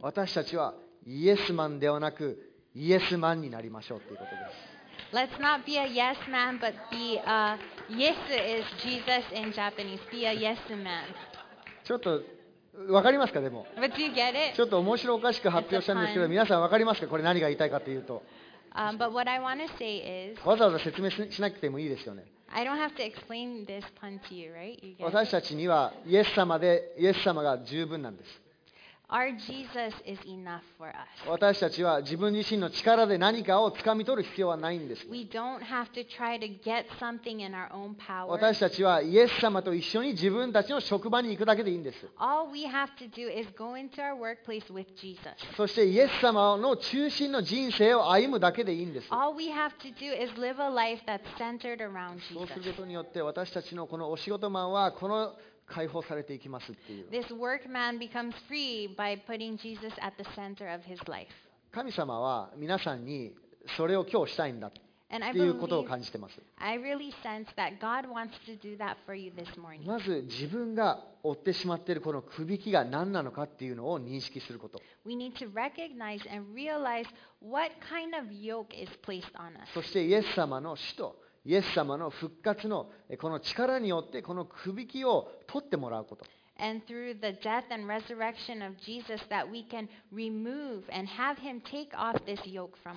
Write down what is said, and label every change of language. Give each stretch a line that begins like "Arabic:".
Japanese: 私たちはイエスマンではなくイエスマンになりましょうということです。
English: Let's not be a yes man, but be a yes is Jesus in Japanese. Be a yes man.
Japanese: ちょっとわかりますかでも。
English: But do you get it?
Japanese: ちょっと面白おかしく発表したんですけど、皆さんわかりますかこれ何が言いたいかというと。
English: But what I want to say is,
Japanese: わざわざ説明しなくてもいいですよね。
English: I don't have to explain this pun to you, right? You get it?
Japanese: 私たちにはイエス様で、イエス様が十分なんです。
English: Our Jesus is enough for us.
Japanese: 私たちは自分自身の力で何かをつかみ取る必要はないんです。
English: We don't have to try to get something in our own power.
Japanese: 私たちはイエス様と一緒に自分たちの職場に行くだけでいいんです。
English: All we have to do is go into our workplace with Jesus.
Japanese: そしてイエス様の中心の人生を歩むだけでいいんです。
English: All we have to do is live a life that's centered around Jesus.
Japanese: そうすることによって私たちのこのお仕事マンはこの解放されていきますっていう。
English: This workman becomes free by putting Jesus at the center of his life.
Japanese: 神様は皆さんにそれを今日したいんだということを感じてます。
English: I really sense that God wants to do that for you this morning.
Japanese: まず自分が負ってしまっているこの首輝きが何なのかっていうのを認識すること。
English: We need to recognize and realize what kind of yoke is placed on us.
Japanese: そしてイエス様の死と。イエス様の復活のこの力によってこの首輝きを取ってもらうこと。
English: And through the death and resurrection of Jesus that we can remove and have him take off this yoke from us.